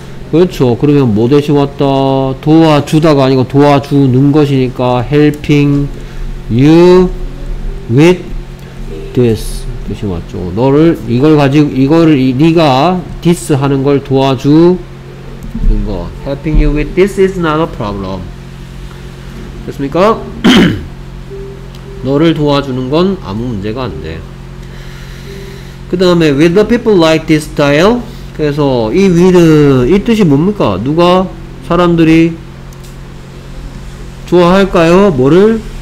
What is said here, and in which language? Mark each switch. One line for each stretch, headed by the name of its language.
Korean: 그렇죠. 그러면 뭐 대신 왔다? 도와주다가 아니고 도와주는 것이니까
English: helping you with this
Korean: 뜻이 맞죠. 너를 이걸 가지고 이거를 네가 this 하는 걸 도와주는 거.
English: helping you with this is not a problem.
Korean: 됐습니까? 너를 도와주는 건 아무 문제가 안 돼. 그 다음에
English: with the people like this style.
Korean: 그래서 이 with 이 뜻이 뭡니까? 누가 사람들이 좋아할까요? 뭐를?